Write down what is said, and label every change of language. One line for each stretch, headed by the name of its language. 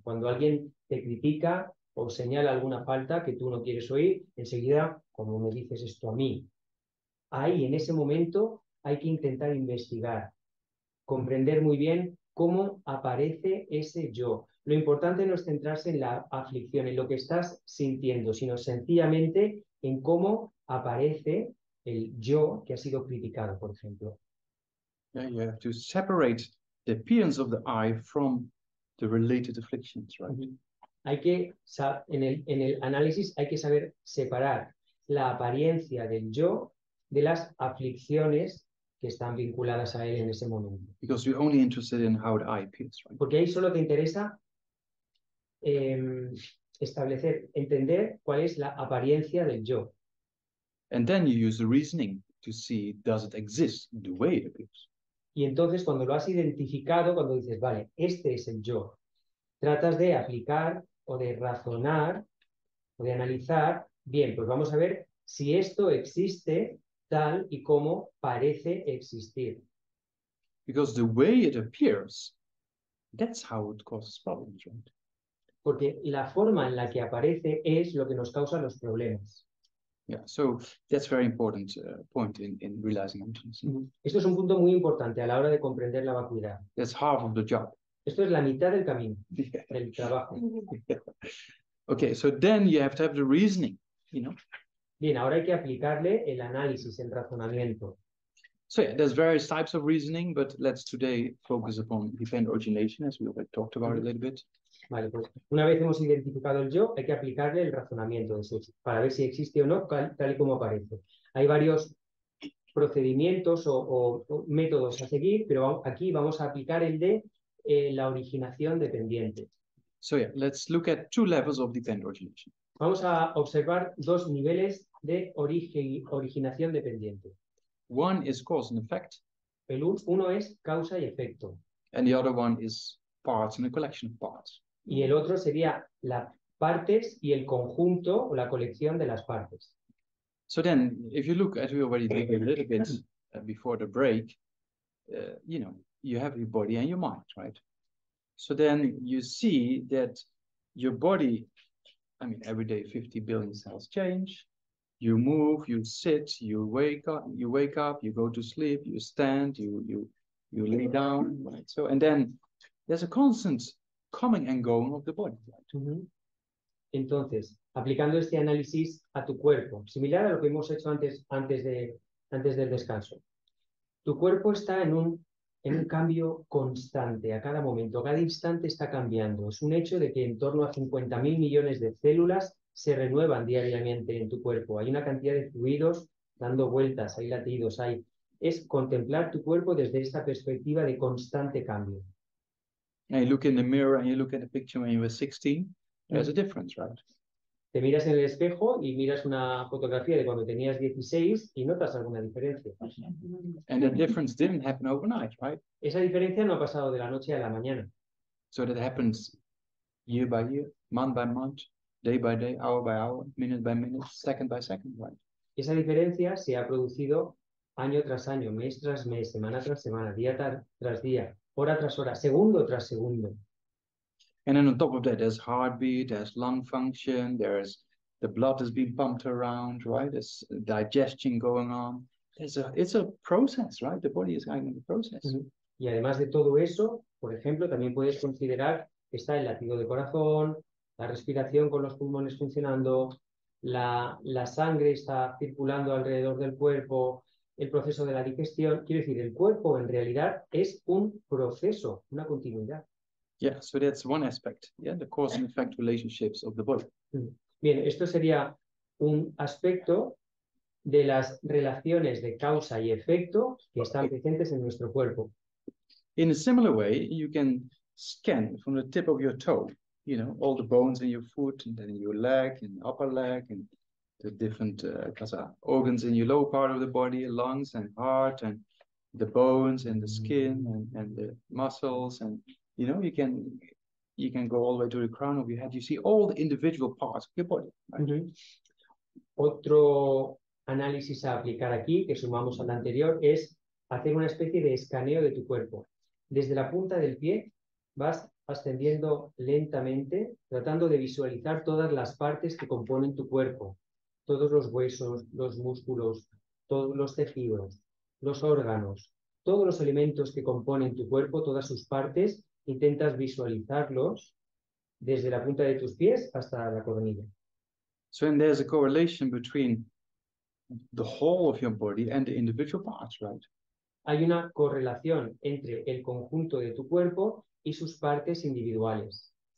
Spanish: Cuando alguien te critica o señala alguna falta que tú no quieres oír, enseguida, como me dices esto a mí, ahí, en ese momento, hay que intentar investigar, comprender muy bien cómo aparece ese yo. Lo importante no es centrarse en la aflicción, en lo que estás sintiendo, sino sencillamente en cómo aparece el yo que ha sido criticado, por ejemplo.
English: Yeah, you have to separate the appearance of the eye from the related afflictions, right?
Spanish: Hay que en el análisis hay que saber separar la apariencia del yo de las aflicciones que están vinculadas a él en ese momento.
English: Because you're only interested in how the eye appears, right?
Spanish: Porque ahí solo te interesa establecer, entender cuál es la apariencia del yo.
English: And then you use the reasoning to see does it exist the way it appears.
Spanish: Y entonces, cuando lo has identificado, cuando dices, vale, este es el yo, tratas de aplicar o de razonar o de analizar, bien, pues vamos a ver si esto existe tal y como parece existir.
English: Because the way it appears, that's how it causes problems, right?
Spanish: Porque la forma en la que aparece es lo que nos causa los problemas.
English: Yeah, so that's very important point in realizing emptiness.
Spanish: Esto es un punto muy importante a la hora de comprender la vacuidad.
English: That's half of the job.
Spanish: Esto es la mitad del camino, del trabajo.
English: Okay, so then you have to have the reasoning, you know.
Spanish: Bien, ahora hay que aplicarle el análisis, el razonamiento.
English: So yeah, there's various types of reasoning, but let's today focus upon dependent origination, as we already talked about a little bit.
Spanish: Vale, pues una vez hemos identificado el yo, hay que aplicarle el razonamiento para ver si existe o no, tal y como aparece. Hay varios procedimientos o métodos a seguir, pero aquí vamos a aplicar el de la originación dependiente.
English: So yeah, let's look at two levels of dependent origination.
Spanish: Vamos a observar dos niveles de originación dependiente.
English: One is cause and effect.
Spanish: Uno es causa y efecto.
English: And the other one is parts and a collection of parts.
Spanish: Y el otro sería las partes y el conjunto o la colección de las partes.
English: So then, if you look, as we already did a little bit before the break, you know, you have your body and your mind, right? So then you see that your body, I mean, every day 50 billion cells change. You move, you sit, you wake up, you go to sleep, you stand, you lay down, right? So, and then there's a constant coming and going of the body, right?
Spanish: Entonces, aplicando este análisis a tu cuerpo, similar a lo que hemos hecho antes del descanso, tu cuerpo está en un cambio constante a cada momento, a cada instante está cambiando. Es un hecho de que en torno a 50.000 millones de células se renuevan diariamente en tu cuerpo. Hay una cantidad de fluidos dando vueltas, hay latidos, hay... Es contemplar tu cuerpo desde esta perspectiva de constante cambio.
English: And you look in the mirror and you look at the picture when you were 16, there's a difference, right?
Spanish: Te miras en el espejo y miras una fotografía de cuando tenías 16 y notas alguna diferencia.
English: And the difference didn't happen overnight, right?
Spanish: Esa diferencia no ha pasado de la noche a la mañana.
English: So that happens year by year, month by month, day by day, hour by hour, minute by minute, second by second, right?
Spanish: Esa diferencia se ha producido año tras año, mes tras mes, semana tras semana, día tras día, hora tras hora, segundo tras segundo.
English: And then on top of that, there's heartbeat, there's lung function, there's the blood is being pumped around, right? There's digestion going on. It's a process, right? The body is going in the process.
Spanish: Y además de todo eso, por ejemplo, también puedes considerar que está el latido de corazón, la respiración con los pulmones funcionando, la sangre está circulando alrededor del cuerpo, el proceso de la digestión. Quiero decir, el cuerpo en realidad es un proceso, una continuidad.
English: Yeah, so that's one aspect, yeah, the cause and effect relationships of the body.
Spanish: Bien, esto sería un aspecto de las relaciones de causa y efecto que están presentes en nuestro cuerpo.
English: In a similar way, you can scan from the tip of your toe, you know, all the bones in your foot and then your leg and upper leg and the different organs in your lower part of the body, lungs and heart and the bones and the skin and the muscles and... You know, you can go all the way to the crown of your head. You see all the individual parts of your body. Right?
Spanish: Otro análisis a aplicar aquí, que sumamos al anterior, es hacer una especie de escaneo de tu cuerpo. Desde la punta del pie vas ascendiendo lentamente, tratando de visualizar todas las partes que componen tu cuerpo. Todos los huesos, los músculos, todos los tejidos, los órganos, todos los elementos que componen tu cuerpo, todas sus partes. Intentas visualizarlos desde la punta de tus pies hasta la coronilla.
English: So and there's a correlation between the whole of your body and the individual parts, right?
Spanish: Hay una correlación entre el conjunto de tu cuerpo y sus partes individuales.